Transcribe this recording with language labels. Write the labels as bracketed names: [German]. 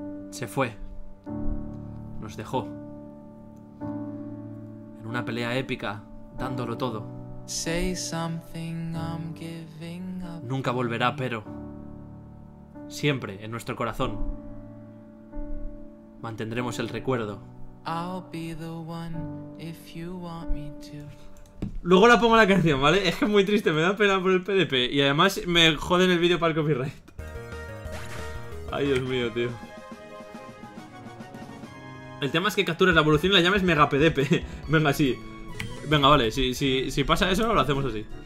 [Spanish] Se fue. Nos dejó. En una pelea épica, dándolo todo. [English] Say something, I'm giving up. [Spanish] Nunca volverá, pero siempre en nuestro corazón mantendremos el recuerdo. [English] I'll be the one if you want me to. [Spanish] Luego la pongo la canción, ¿vale? Es que es muy triste, me da pena por el PDP. Y además me joden el vídeo para el copyright. Ay, Dios mío, tío. El tema es que capturas la evolución y la llames Mega PDP. Venga, sí. Venga, vale, si pasa eso, lo hacemos así.